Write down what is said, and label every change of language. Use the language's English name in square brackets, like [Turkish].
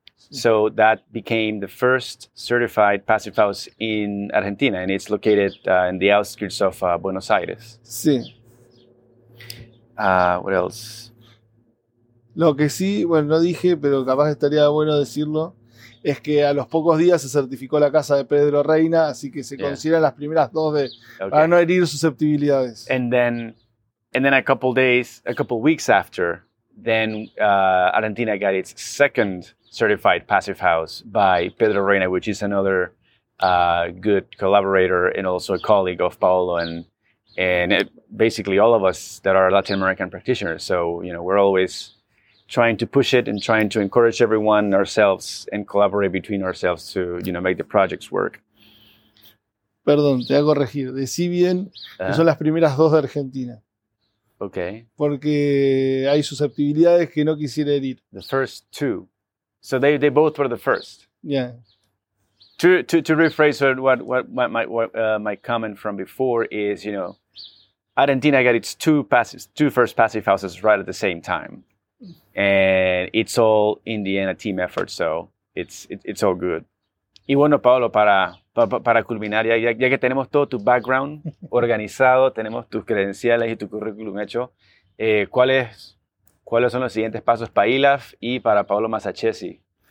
[English] So that became the first certified passive house in Argentina, and it's located in the outskirts of Buenos Aires. [Spanish] Sí. [English] What else? [Spanish] Lo que sí, bueno, no dije, pero capaz estaría bueno decirlo, es que a los pocos días se certificó la casa de Pedro Reina, así que se consideran las primeras dos de, okay, para no herir susceptibilidades. [English] And then a couple weeks after, then Argentina got its second certified passive house by Pedro Reina, which is another good collaborator and also a colleague of Paolo and basically all of us that are Latin American practitioners. So, you know, we're always trying to push it and trying to encourage everyone, ourselves, and collaborate between ourselves to, you know, make the projects work. [Spanish] Perdón, te voy a corregir. Decí bien que son las primeras dos de Argentina. [English] Okay. [Spanish] Porque hay susceptibilidades que no quisiera herir. [English] The first two. So they both were the first. Yeah. To rephrase my comment from before is, you know, Argentina got its two first passive houses right at the same time. And it's all in the end a team effort, so it's all good. [Spanish] Y bueno, Paolo, para culminar, ya que tenemos todo tu background organizado, tenemos tus credenciales y tu currículum hecho, ¿cuáles son los siguientes pasos para ILAF y para Paolo Masachesi?